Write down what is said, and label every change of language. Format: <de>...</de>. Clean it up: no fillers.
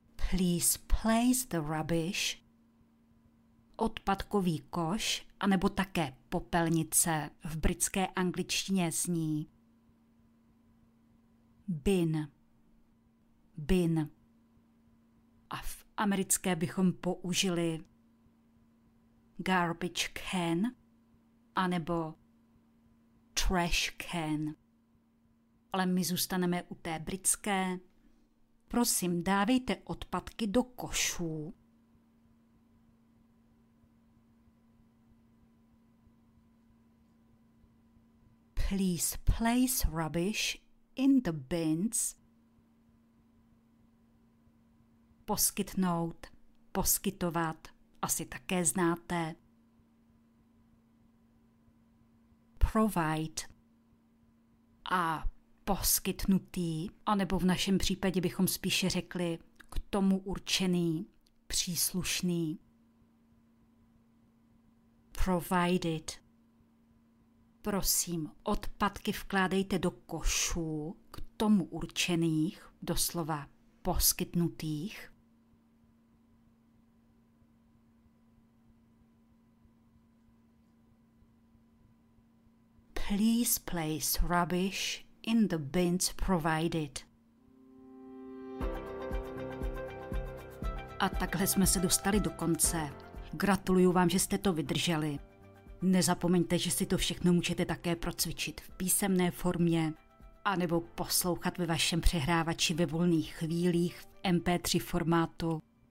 <en>Please place the rubbish.</en> <cs>Odpadkový koš, anebo také popelnice, v britské angličtině zní bin. Bin. A v americké bychom použili garbage can, anebo trash can. Ale my zůstaneme u té britské. Prosím, dávejte odpadky do košů.</cs> <en>Please place rubbish in the bins.</en> <cs>Poskytnout, poskytovat, asi také znáte. Provide. A poskytnutý, anebo v našem případě bychom spíše řekli k tomu určený, příslušný. Provided. Prosím, odpadky vkládejte do košů k tomu určených, doslova poskytnutých.</cs> <en>Please place rubbish in the bins provided.</en> <cs>A takhle jsme se dostali do konce. Gratuluju vám, že jste to vydrželi. Nezapomeňte, že si to všechno můžete také procvičit v písemné formě anebo poslouchat ve vašem přehrávači ve volných chvílích v MP3 formátu.</cs>